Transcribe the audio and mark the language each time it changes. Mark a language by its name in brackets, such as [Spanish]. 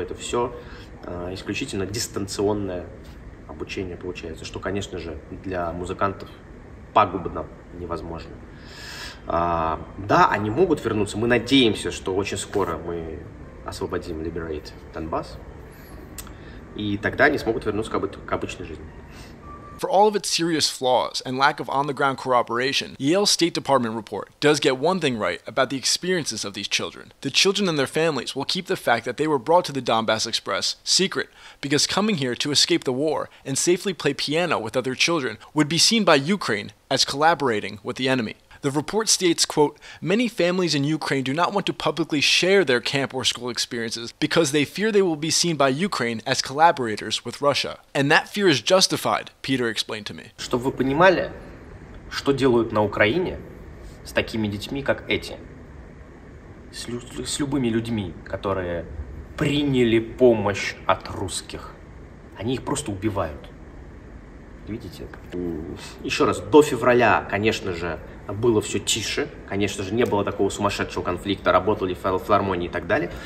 [Russian] Это все исключительно дистанционное обучение получается, что, конечно же, для музыкантов пагубно невозможно. Да, они могут вернуться. Мы надеемся, что очень скоро мы освободим, liberate Донбасс. И тогда они смогут вернуться к обычной жизни. [English] For all of its serious flaws and lack of on-the-ground cooperation, Yale's State Department report does get one thing right about the experiences of these children. The children and their families will keep the fact that they were brought to the Donbas Express secret, because coming here to escape the war and safely play piano with other children would be seen by Ukraine as collaborating with the enemy. The report states, quote, many families in Ukraine do not want to publicly share their camp or school experiences because they fear they will be seen by Ukraine as collaborators with Russia. And that fear is justified, Peter explained to me. [Russian] Чтобы вы понимали, что делают на Украине с такими детьми, как эти, с любыми людьми, которые приняли помощь от русских. Они их просто убивают. Видите? Еще раз, до февраля, конечно же, было все тише, конечно же, не было такого сумасшедшего конфликта, работали в филармонии и так далее.